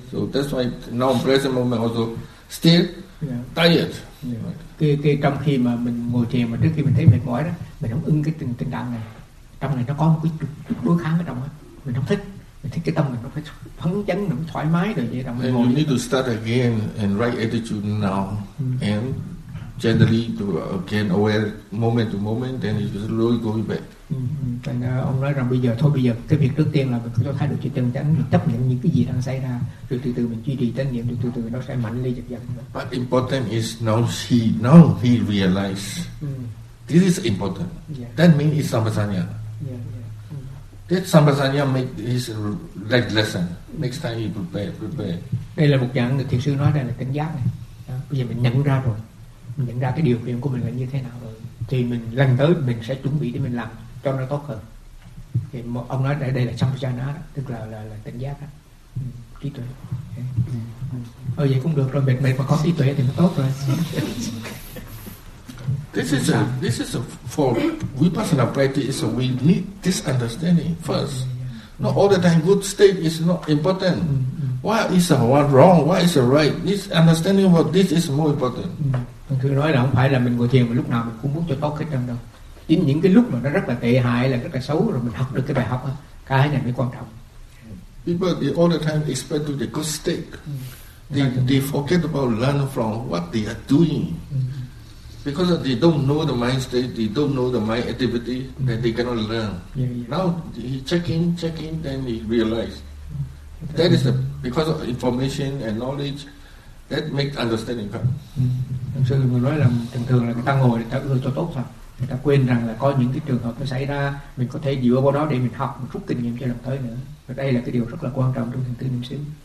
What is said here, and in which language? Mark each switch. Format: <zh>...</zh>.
<en>So that's why now present moment also still tired. Yeah.</en> <vi>Cái trong khi mà mình ngồi thiền mà trước khi mình thấy mệt mỏi đó, mình không ưng cái tình trạng này. Trong này nó có một cái đối kháng ở trong đó, mình không thích. Mình thích cái tâm mình nó phải phấn chấn, nó thoải mái rồi vậy.</vi> <en>And you need to start again and right attitude now and generally to again aware moment to moment, then it's slowly going back.</en> <vi>Thành ông nói rằng bây giờ cái việc trước tiên là mình phải thay đổi cái tâm chánh, chấp nhận những cái gì đang xảy ra, rồi từ từ mình duy trì chánh niệm, rồi từ từ nó sẽ mạnh lên dần dần.</vi> <en>But important is now he realize this is important. Yeah. That means it's samasanya. Yeah. That Sambasanya make his leg lesson. Next time he prepare.</en> <vi>Đây là một dạng thiền sư nói, đây là cảnh giác này. Đó. Bây giờ mình nhận ra rồi, mình nhận ra cái điều kiện của mình là như thế nào rồi, thì mình lần tới mình sẽ chuẩn bị để mình làm cho nó tốt hơn. Thì ông nói đây là Sambasanya, tức là cảnh giác đó. Trí tuệ. Ừ. Vậy cũng được rồi, mệt mà có trí tuệ thì nó tốt rồi.</vi> <en>This is for vipassana practice. So we need this understanding first. Not all the time good state is not important. Why is a what wrong? Why is a right? This understanding of this is more important.</en> <vi>Thì nói là không phải là mình ngồi thiền mà lúc nào mình cũng muốn cho tốt hết trơn đâu. Chính những cái lúc mà nó rất là tệ hại, là rất là xấu, rồi mình học được cái bài học, cái này mới quan trọng.</vi> <en>People all the time expect to the good state. They forget about learn from what they are doing. Because they don't know the mind state, they don't know the mind activity, then they cannot learn. Now he checking, then he realized. That is because of information and knowledge, that makes understanding come.</en> <vi>Thật sự người nói là thường thường là người ta ngồi, người ta ngồi cho tốt thôi. Người ta quên rằng là có những cái trường hợp nó xảy ra, mình có thể dựa vào đó để mình học, mình rút kinh nghiệm cho lần tới nữa. Và đây là cái điều rất là quan trọng trong thiền tư niệm xứ.</vi>